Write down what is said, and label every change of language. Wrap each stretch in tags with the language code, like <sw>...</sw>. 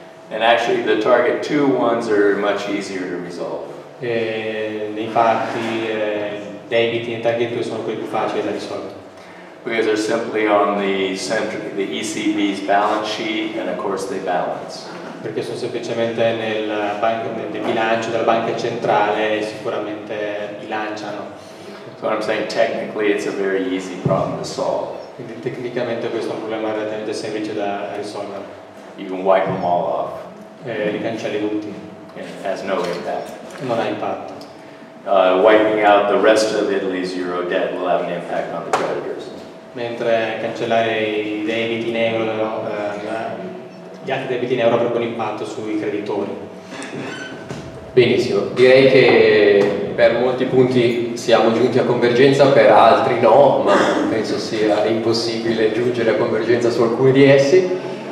<en>And actually the target 2 ones are much easier to resolve.</en> <it>E nei fatti debiti in target 2 sono quelli più facili da risolvere.</it> <en>Because they're simply on the ECB's balance sheet, and of course they balance.</en> <it>Perché sono semplicemente nel bilancio della banca centrale e sicuramente bilanciano.</it> <en>So what I'm saying, technically it's a very easy problem to solve.</en> <it>Quindi tecnicamente questo è un problema relativamente semplice da risolvere.</it> <en>You can wipe them all off.</en> <it>Li cancelli tutti.</it> <en>It has no impact.</en> <it>Non ha impatto.</it> <en>Wiping out the rest of Italy's euro debt will have an impact on the creditors.</en> <it>Mentre cancellare i debiti in euro, gli altri debiti in euro avrebbero un impatto sui creditori. Benissimo, direi che per molti punti siamo giunti a convergenza, per altri no, ma penso sia impossibile giungere a convergenza su alcuni di essi.</it>